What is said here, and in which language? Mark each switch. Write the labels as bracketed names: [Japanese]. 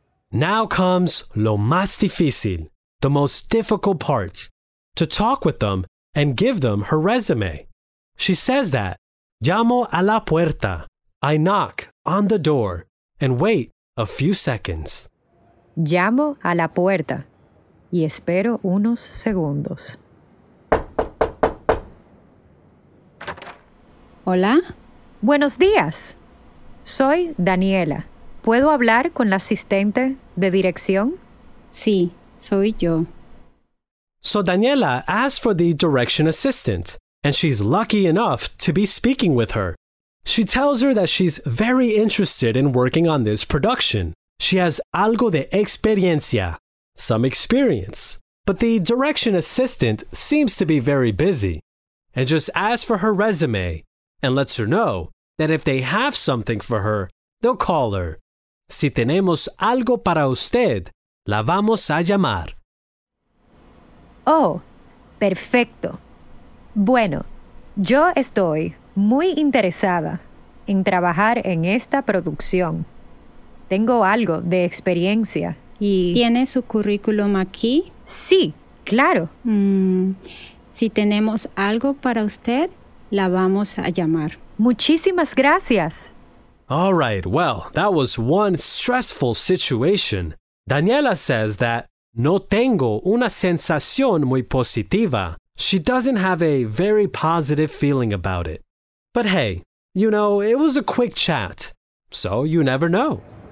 [English] Now comes [Spanish] lo más difícil, [English] the most difficult part, to talk with them and give them her resume. She says that, [Spanish] llamo a la puerta, [English] I knock on the door, and wait a few seconds. [Spanish] Llamo a la puerta, y espero unos segundos. Hola. Buenos días. Soy Daniela. ¿Puedo hablar con la asistente de dirección? Sí, soy yo. [English] So Daniela asks for the direction assistant, and she's lucky enough to be speaking with her. She tells her that she's very interested in working on this production. She has [Spanish] algo de experiencia, [English] some experience. But the direction assistant seems to be very busy, and just asks for her resume, and lets her know that if they have something for her, they'll call her. [Spanish] Si tenemos algo para usted, la vamos a llamar. Oh, perfecto. Bueno, yo estoy muy interesada en trabajar en esta producción. Tengo algo de experiencia y... ¿Tiene su currículum aquí? Sí, claro. Si tenemos algo para usted, la vamos a llamar. Muchísimas gracias. [English] All right, well, that was one stressful situation. [Spanish] Daniela [English] says that [Spanish] no tengo una sensación muy positiva. [English] She doesn't have a very positive feeling about it. But hey, you know, it was a quick chat, so you never know.